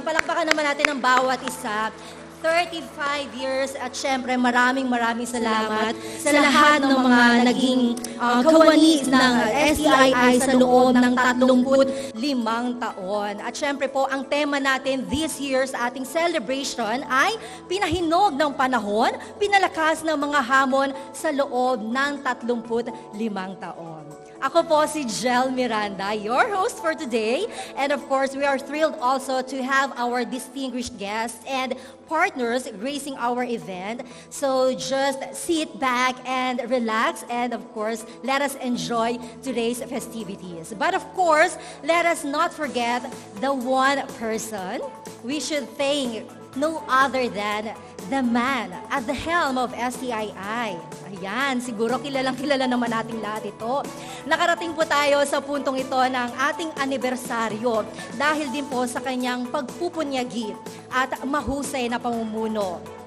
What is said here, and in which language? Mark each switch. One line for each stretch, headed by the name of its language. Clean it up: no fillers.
Filipino: Palakpakan naman natin ang bawat isa. 35 years at syempre maraming salamat sa lahat ng mga naging kawanis ng STII sa loob ng 35 taon. At syempre po, ang tema natin
English: this year
Filipino: sa ating celebration ay Pinahinog ng Panahon, Pinalakas ng Mga Hamon sa loob ng 35 taon. Ako po si Jel Miranda,
English: your host for today. And of course, we are thrilled also to have our distinguished guests and partners gracing our event. So just sit back and relax. And of course, let us enjoy today's festivities. But of course, let us not forget the one person we should thank, no other than the man at the helm of STII.
Filipino: Ayan, siguro kilalang-kilala naman natin lahat ito. Nakarating po tayo sa puntong ito ng ating anibersaryo dahil din po sa kanyang pagpupunyagi at mahusay na pamumuno.